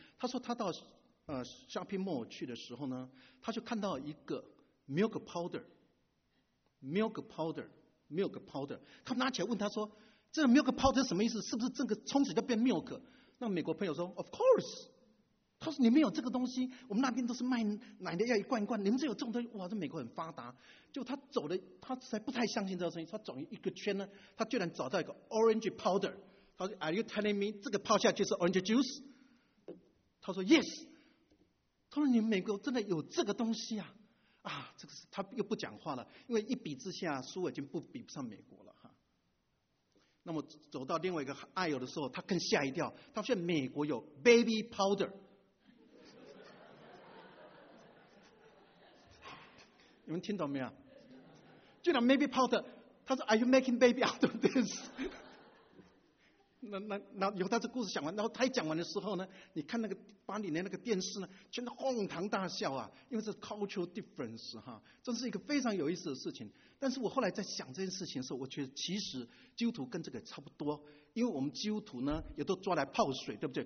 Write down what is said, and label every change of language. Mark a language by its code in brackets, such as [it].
[zh] 他说他到shopping mall 去的时候呢，他就看到一个milk powder， 他拿起来问他说：“这个 milk powder 什么意思？是不是这个冲水就变 milk？” 那美国朋友说 ： [en] “Of course。” [zh] 他说：“你们有这个东西？我们那边都是卖奶的，要一罐一罐。你们这有这种东西？哇，这美国很发达。” 就他走的，他才不太相信这个东西。他走一个圈呢，他居然找到一个 orange powder。他说 ： [en] “Are you telling me [zh] 这个泡下去是 orange juice？” [en] 他说 ：“Yes。” [zh] 他说：“你们美国真的有这个东西啊？” 啊，这个是他又不讲话了，因为一比之下，苏俄已经比不上美国了哈。那么走到另外一个爱友的时候，他更吓一跳，他发现美国有 baby powder。你们听懂没有？居然 [en] baby powder， [zh] 他说 [en] Are you making baby out of this？ [zh] 那由他这故事讲完，然后他一讲完的时候呢，你看那个巴黎的那个电视呢，全都哄堂大笑啊，因为这是 cultural difference 哈，这是一个非常有意思的事情。但是我后来在想这件事情的时候，我觉得其实基督徒跟这个差不多，因为我们基督徒呢也都抓来泡水，对不对？